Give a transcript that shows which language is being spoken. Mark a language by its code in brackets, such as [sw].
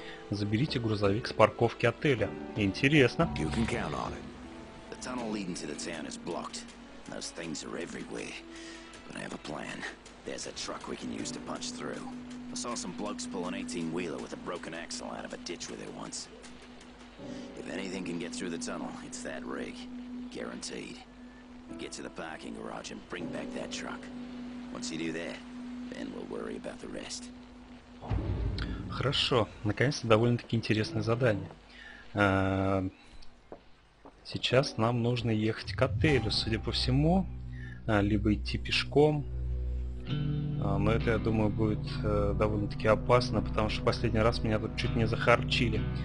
[ru] Заберите грузовик с парковки отеля. Интересно. [en] You can count on it. The tunnel leading to the town is blocked. Those things are everywhere. But I have a plan. There's a truck we can use to punch through. I saw some blokes pull an 18-wheeler with a broken axle out of a ditch with it once. If anything can get through the tunnel, it's that rig. Guaranteed. You get to the parking garage and bring back that truck. Once you do that, then we'll worry about the rest. [ru] Хорошо. Наконец-то довольно-таки интересное задание. Сейчас нам нужно ехать к отелю, судя по всему. Либо идти пешком. Но это, я думаю, будет довольно-таки опасно, потому что последний раз меня тут чуть не захарчили.